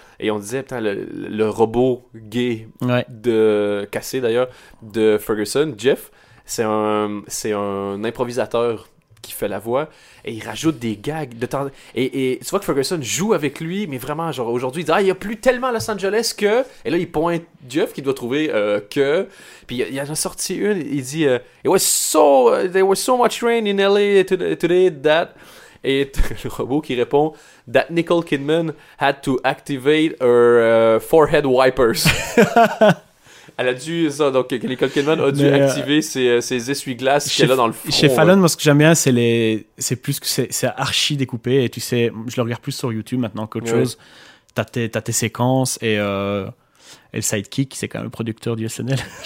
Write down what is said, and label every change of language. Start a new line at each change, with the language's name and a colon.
French: Et on disait, putain, le robot gay de cassé d'ailleurs de Ferguson, Jeff, c'est un improvisateur qui fait la voix et il rajoute des gags de temps. Et tu vois que Ferguson joue avec lui, mais vraiment, genre aujourd'hui, il dit, ah, il n'y a plus tellement Los Angeles que. Et là, il pointe Jeff qui doit trouver que. Puis il en a sorti une, il dit,
English: there was so much rain in LA today that.
French: Et le robot qui répond,
English: that Nicole Kidman had to activate her forehead wipers.
French: Elle a dû, ça, donc Nicole Kidman a dû activer ses essuie-glaces qu'elle a dans le front. Chez Fallon, moi, ce que j'aime bien, c'est archi découpé. Et tu sais, je le regarde plus sur YouTube maintenant qu'autre chose. T'as tes séquences et le sidekick, c'est quand même le producteur du SNL.